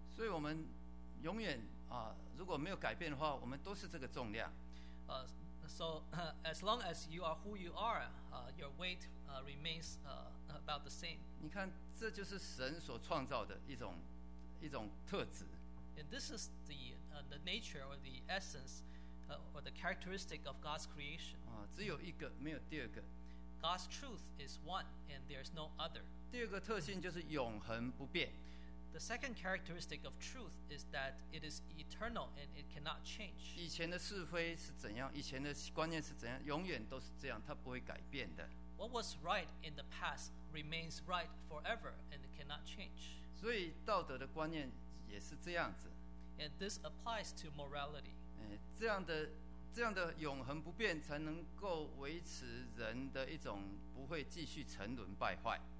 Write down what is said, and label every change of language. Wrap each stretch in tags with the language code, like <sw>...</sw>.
<zh>所以我们永远如果没有改变的话，我们都是这个重量。</zh> <en>So as long as you are who you are, your weight remains about the same.</en> <zh>你看，这就是神所创造的一种特质。</zh> <en>And this is the nature or the essence or the characteristic of God's creation.</en> <zh>只有一个，没有第二个。</zh> <en>God's truth is one, and there is no other.</en> <zh>第二个特性就是永恒不变。</zh> <en>The second characteristic of truth is that it is eternal and it cannot change.</en> <zh>以前的是非是怎样，以前的观念是怎样，永远都是这样，它不会改变的。</zh> <en>What was right in the past remains right forever and it cannot change.</en> <zh>所以道德的观念也是这样子。</zh> <en>And this applies to morality.</en> <zh>这样的永恒不变才能够维持人的一种不会继续沉沦败坏。</zh>